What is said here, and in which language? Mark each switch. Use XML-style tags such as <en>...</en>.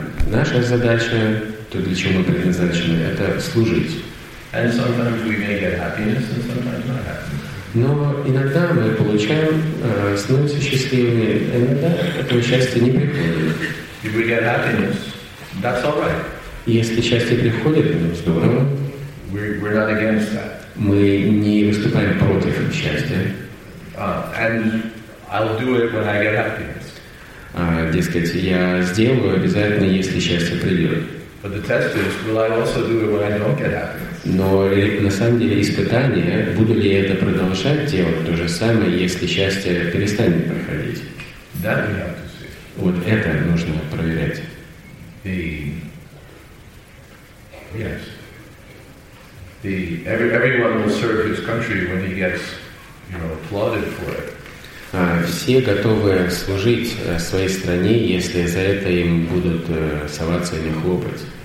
<ru>Наша задача, то, для чего мы предназначены, это служить.</ru> <en>And sometimes we may get happiness and sometimes not happiness.</en> <ru>Но иногда мы получаем, становимся счастливыми, иногда этого счастья не приходит.</ru> <en>If we get happiness, that's all right.</en> <ru>Если счастье приходит, то здорово.</ru> <en>We're not against that.</en> <ru>Мы не выступаем против счастья.</ru> <en>And I'll do it when I get happiness.</en> <ru>Дескать, я сделаю обязательно, если счастье придет.</ru> <en>But the test is, will I also do it when I don't get happiness?</en> <ru>Но на самом деле испытание, буду ли я это продолжать делать то же самое, если счастье перестанет проходить?</ru> <en>That we have to see.</en> <ru>Вот это нужно проверять.</ru> <en>The... Yes. The... Everyone will serve his country when he gets, you know, applauded for it.</en> <ru>Все готовы служить своей стране, если за это им будут соваться или хлопать.</ru>